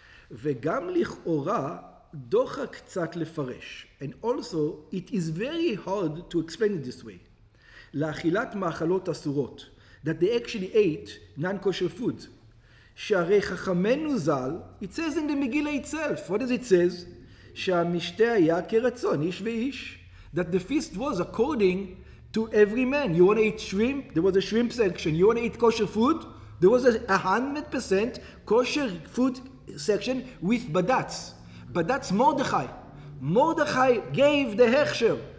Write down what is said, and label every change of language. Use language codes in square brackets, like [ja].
[he] וגם לכאורה... דוחה קצת לפרש. [en] And also, it is very hard to explain it this way. [he] לאכילת מאכלות אסורות, [en] that they actually ate non-kosher food. [he] שהרי חכמנו זל, [en] it says in the Megillah itself, what does it say? [he] שהמשתה היה כרצון, איש ואיש. [en] That the feast was according to every man. You want to eat shrimp? There was a shrimp section. You want to eat kosher food? There was a 100% kosher food section with badats. But that's Mordechai. Mordechai gave the hechsher.